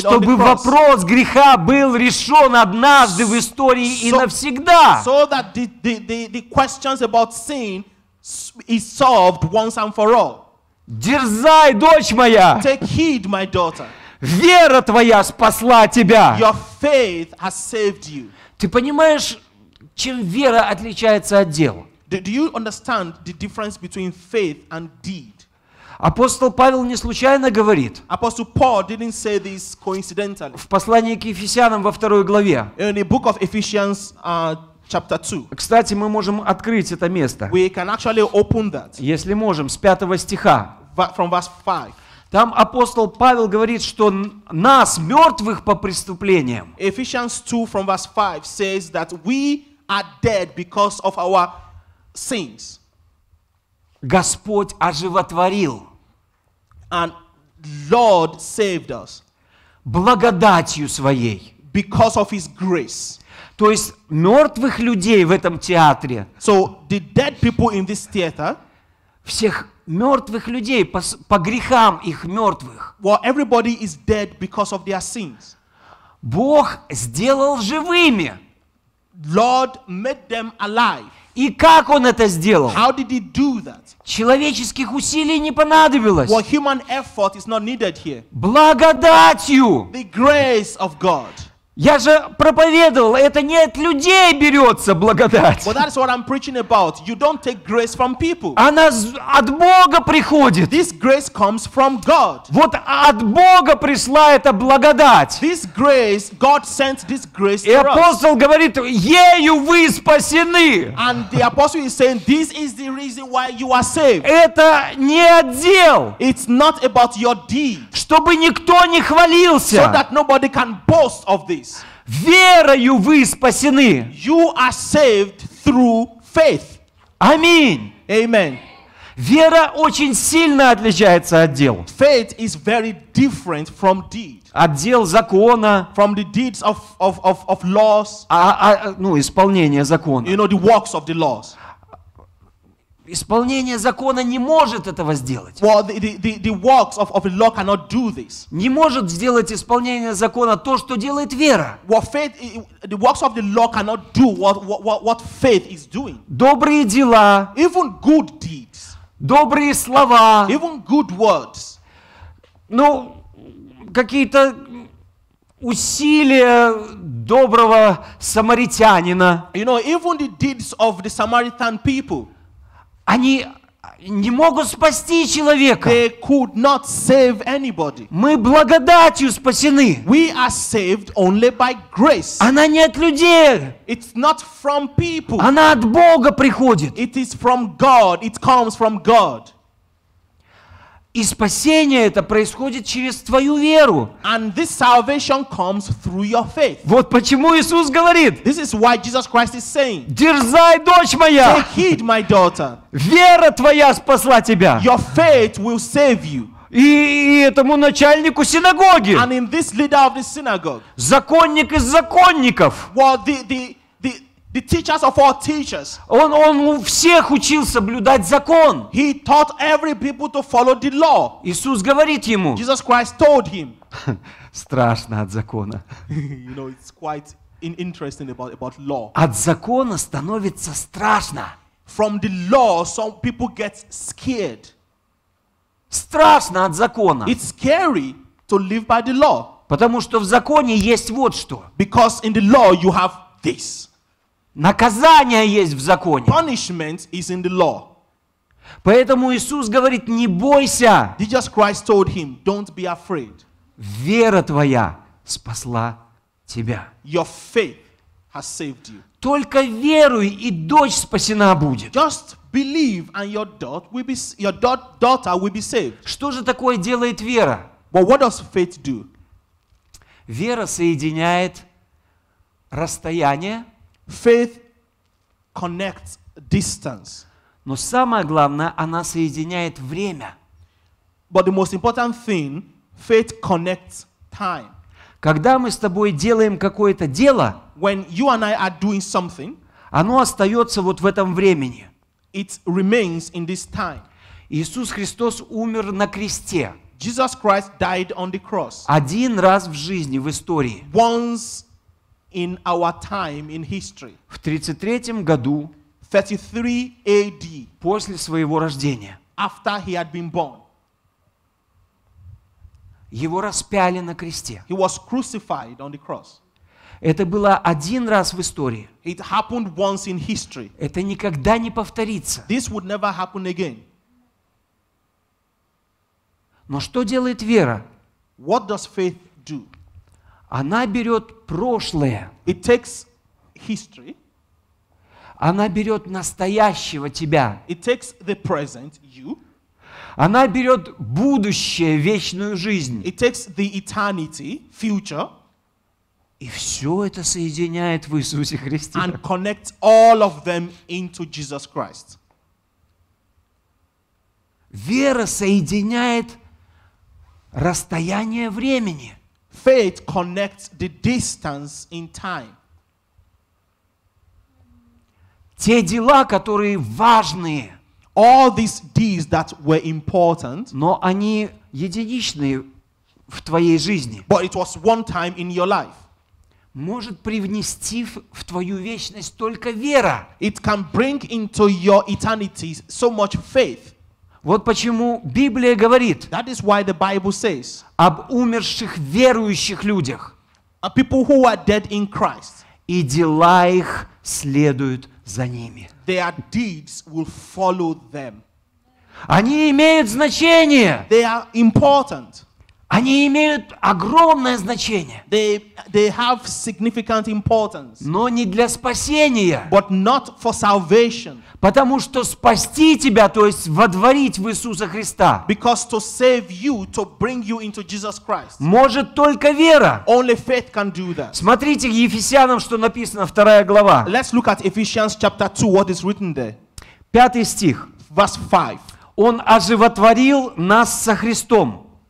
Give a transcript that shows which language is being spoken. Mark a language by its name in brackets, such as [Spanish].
[Russian] Чтобы вопрос греха был решен однажды в истории и навсегда. [English] So that the questions about sin is solved once and for all. [Russian] Дерзай, дочь моя. [English] Take heed, my daughter. [Russian] Вера твоя спасла тебя. [English] Your faith has saved you. [Russian] Ты понимаешь, чем вера отличается от дел? [English] Do you understand the difference between faith and deed? [Russian] Апостол Павел не случайно говорит. [English] Apostle Paul didn't say this coincidentally. [Russian] В послании к Ефесянам во второй главе. [English] In the book of Ephesians, chapter 2. [Russian] Кстати, мы можем открыть это место. [English] We can actually open that. [Russian] Если можем, с пятого стиха. [English] From verse 5. [Russian] Там апостол Павел говорит, что нас, мертвых по преступлениям, [English] Ephesians 2 from verse 5 says that we are dead because of our sins. [Russian] Господь оживотворил. [English] And Lord saved us. [Russian] Благодатью своей. [English] Because of his grace. [Russian] То есть мертвых людей в этом театре. [English] So the dead people in this theater. [Russian] Всех мертвых людей по грехам их мертвых. [English] Well, everybody is dead because of their sins. [Russian] Бог сделал живыми. [English] Lord made them alive. [Russian] И как он это сделал? [English] How did he do that? [Russian] Человеческих усилий не понадобилось. [English] Well, human effort is not needed here. [Russian] Благодатью. [English] The grace of God. [Russian] Я же проповедовал, это не от людей берется благодать. [English] Well, that's what I'm preaching about. You don't take grace from people. [Russian] Она от Бога приходит. [English] This grace comes from God. [Russian] Вот от Бога пришла эта благодать. [English] This grace, God sent this grace to us. [Russian] И апостол говорит, ею вы спасены. [English] And the apostle is saying, this is the reason why you are saved. [Russian] Это не от дел. [English] It's not about your deed. [Russian] Чтобы никто не хвалился. [English] So that nobody can boast of this. [Russian] Верою вы спасены. [English] You are saved through faith. [Russian] Аминь. [English] Amen. [Russian] Вера очень сильно отличается от дел. [English] Faith is very different from deed. [Russian] От дел закона. [English] From the deeds of laws. [Russian] Ну, исполнение закона. [English] You know, the works of the laws. [Russian] Исполнение закона не может этого сделать. [English] Well, the works of the law cannot do this. [Russian] Не может сделать исполнение закона то, что делает вера. [English] Well, faith, the works of the law cannot do what faith is doing. [Russian] Добрые дела. [English] Even good deeds. [Russian] Добрые слова. [English] Even good words. [Russian] Ну, какие-то усилия доброго самаритянина. [English] You know, even the deeds of the Samaritan people. [Russian] Они не могут спасти человека. [English] They could not save anybody. [Russian] Мы благодатью спасены. [English] We are saved only by grace. [Russian] Она не от людей. [English] It's not from people. [Russian] Она от Бога приходит. [English] It is from God. It comes from God. [Russian] И спасение это происходит через твою веру. [English] And this salvation comes through your faith. [Russian] Вот почему Иисус говорит. [English] This is why Jesus Christ is saying. [Russian] Дерзай, дочь моя. [English] Take heed, my daughter. [Russian] Вера твоя спасла тебя. [English] Your faith will save you. [Russian] И этому начальнику синагоги. [English] And in this leader of the synagogue. [Russian] Законник из законников. [English] Well, the teachers of all teachers. [Russian] Он всех учил соблюдать закон. [English] He taught every people to follow the law. [Russian] Иисус говорит ему. [English] Jesus Christ told him. [Russian] Страшно от закона. [English] You know, it's quite interesting about law. [Russian] От закона становится страшно. [English] From the law, some people get scared. [Russian] Страшно от закона. [English] It's scary to live by the law. [Russian] Потому что в законе есть вот что. [English] Because in the law you have this. [Russian] Наказание есть в законе. [English] Punishment is in the law. [Russian] Поэтому Иисус говорит, не бойся. [English] Jesus Christ told him, don't be afraid. [Russian] Вера твоя спасла тебя. [English] Your faith has saved you. [Russian] Только веруй, и дочь спасена будет. [English] Just believe and your daughter will be, your daughter will be saved. [Russian] Что же такое делает вера? [English] But what does faith do? [Russian] Вера соединяет расстояние. [English] Faith connects distance. [Russian] Но самое главное, она соединяет время. [English] But the most important thing, faith connects time. [Russian] Когда мы с тобой делаем какое-то дело, [English] when you and I are doing something, [Russian] оно остается вот в этом времени. [English] It remains in this time. [Russian] Иисус Христос умер на кресте. [English] Jesus Christ died on the cross. [Russian] Один раз в жизни, в истории. [English] Once in our time in history. [Russian] В 33-м году. [English] 33 AD. [Russian] После своего рождения. [English] After he had been born. [Russian] Его распяли на кресте. [English] He was crucified on the cross. [Russian] Это было один раз в истории. [English] It happened once in history. [Russian] Это никогда не повторится. [English] This would never happen again. [Russian] Но что делает вера? [English] What does faith do? [Russian] Она берет прошлое. [English] It takes history. [Russian] Она берет настоящего тебя. [English] It takes the present, you. [Russian] Она берет будущее, вечную жизнь. [English] It takes the eternity, future. [Russian] И все это соединяет в Иисусе Христе. [English] And connects all of them into Jesus Christ. [Russian] Вера соединяет расстояние времени. [English] Faith connects the distance in time. [Russian] Те дела, которые важные. [English] All these deeds that were important. [Russian] Но они единичные в твоей жизни. [English] But it was one time in your life. [Russian] Может привнести в твою вечность только вера. [English] It can bring into your eternity so much faith. [Russian] Вот почему Библия говорит. [English] That is why the Bible says. [Russian] Об умерших верующих людях. [English] Of people who are dead in Christ. [Russian] И дела их следуют за ними. [English] Their deeds will follow them. [Russian] Они имеют значение. [English] They are important. [Russian] Они имеют огромное значение. [English] They have significant importance. [Russian] Но не для спасения. [English] But not for salvation. [Russian] Потому что спасти тебя, то есть водворить в Иисуса Христа. [English] Because to save you, to bring you into Jesus Christ. [Russian] Может только вера. [English] Only faith can do that. [Russian] Смотрите Ефесянам, что написано, вторая глава. [English] Let's look at Ephesians chapter 2, what is written there. [Russian] Пятый стих. [English] Verse 5. [Russian] Он оживотворил нас со Христом.